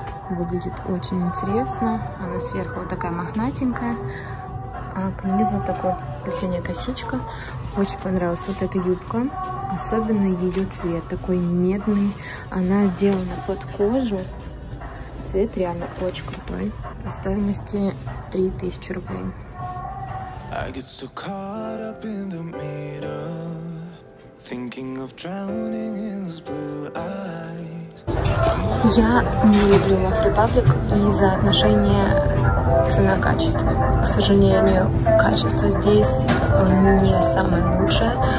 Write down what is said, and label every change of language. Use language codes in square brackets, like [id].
[ru] Выглядит очень интересно. Она сверху вот такая мохнатенькая, а к низу такая плетеная косичка. Очень понравилась вот эта юбка, особенно ее цвет, такой медный. Она сделана под кожу. Цвет реально очень крутой. По стоимости 3000 рублей. [en] I get so caught up in the middle, thinking of drowning in his blue eyes. [ru] Я не люблю Love Republic из-за отношения цена-качество. К сожалению, качество здесь не самое лучшее.